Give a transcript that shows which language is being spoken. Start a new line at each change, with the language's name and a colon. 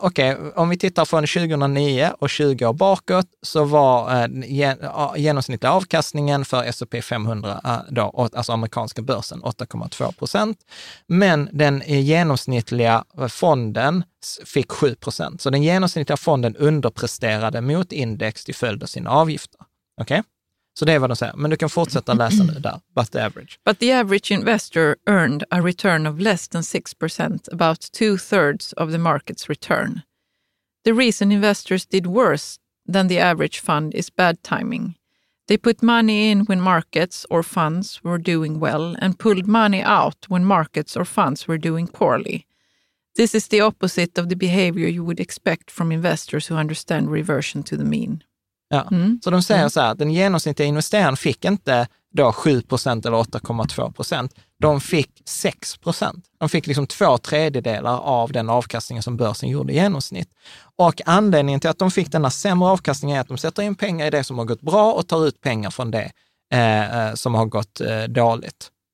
Swedish: Okej, okay, om vi tittar från 2009 och 20 år bakåt så var genomsnittlig avkastningen för S&P 500, då, alltså amerikanska börsen, 8,2%. Men den genomsnittliga fonden fick 7%. Så den genomsnittliga fonden underpresterade mot index till följd av sina avgifter. Okej? Okay? Så det är vad de säger. Men du kan fortsätta läsa nu där.
English: But the average. But the average investor earned a return of less than 6%, about 2/3 of the market's return. The reason investors did worse than the average fund is bad timing. They put money in when markets or funds were doing well and pulled money out when markets or funds were doing poorly. This is the opposite of the behavior you would expect from investors who understand reversion to the mean. Ja. Mm.
Swedish: Så de säger så här, den genomsnittliga investeraren fick inte då 7% eller 8,2%, de fick 6%. De fick liksom 2/3 av den avkastningen som börsen gjorde i genomsnitt. Och anledningen till att de fick denna sämre avkastning är att de sätter in pengar i det som har gått bra och tar ut pengar från det som har gått dåligt.